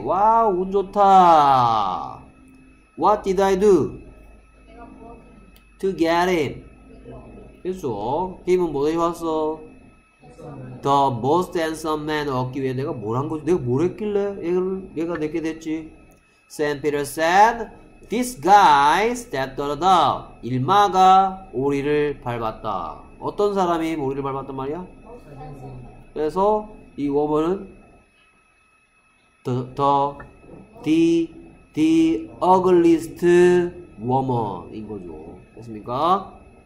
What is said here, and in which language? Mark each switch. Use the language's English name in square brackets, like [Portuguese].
[Korean] 와, 운 좋다. [English] What did I do? To get him. [Korean] 그렇죠. him은 뭐 대신 왔어? [English] The most handsome man [Korean] 얻기 위해 내가 뭘 한 거지? 내가 뭘 했길래 얘가 내게 됐지? [English] Saint Peter said, this guy stepped on a dog. [Korean] 일마가 오리를 밟았다. 어떤 사람이 오리를 밟았단 말이야? 그래서 이 woman은 [English] the ugliest woman [Korean] 인 거죠. 됐습니까?